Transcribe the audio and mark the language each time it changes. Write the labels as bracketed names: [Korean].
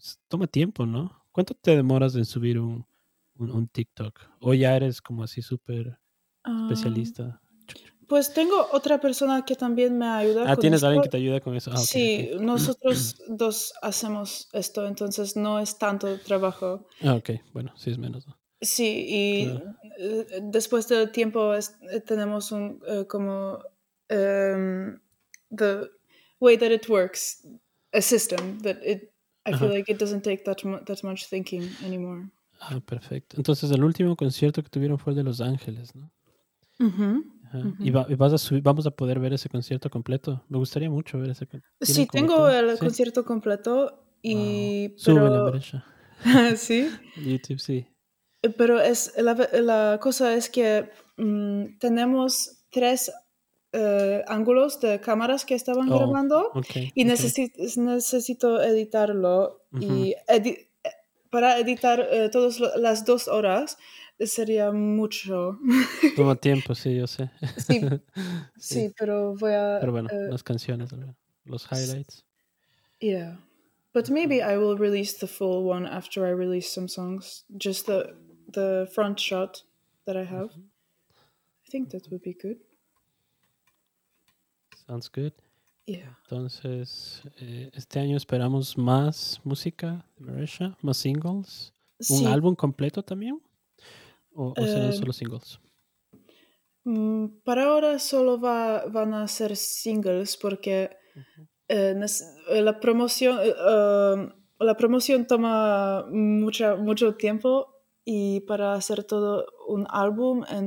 [Spanish] Toma tiempo, ¿no? ¿Cuánto te demoras en subir un TikTok? ¿O ya eres como así súper especialista? Pues tengo otra persona que también me ayuda. Ah, ¿tienes alguien que te ayuda con eso? Ah, sí, okay. Nosotros dos hacemos esto, entonces no es tanto trabajo. Ah, ok, bueno, sí es menos, ¿no? Sí, y claro. Después del tiempo tenemos un como [English] the way that it works, a system that it, I feel like it doesn't take that much thinking anymore. [Spanish] Ah, perfecto. Entonces el último concierto que tuvieron fue el de Los Ángeles, ¿no? Y vamos a poder ver ese concierto completo. Me gustaría mucho ver ese concierto. Sí, tengo el concierto completo y... Wow. Sube la brecha. ¿Sí? YouTube, sí. Pero es la cosa es que tenemos tres ángulos de cámaras que estaban grabando. Okay. Y necesito editarlo. Uh-huh. Y para editar todas las dos horas... Sería mucho. Toma tiempo, sí, yo sé. Sí, sí. Sí, pero voy a... Pero bueno, las canciones, los highlights. Yeah. [English] But maybe I will release the full one after I release some songs. Just the front shot that I have. Mm-hmm. I think that would be good. Sounds good. Yeah. [Spanish] Entonces, este año esperamos más música de Merecha, más singles. Sí. ¿Un álbum completo también? ¿O serán solo singles? Para ahora solo van a ser singles porque la promoción toma mucho tiempo y para hacer todo un álbum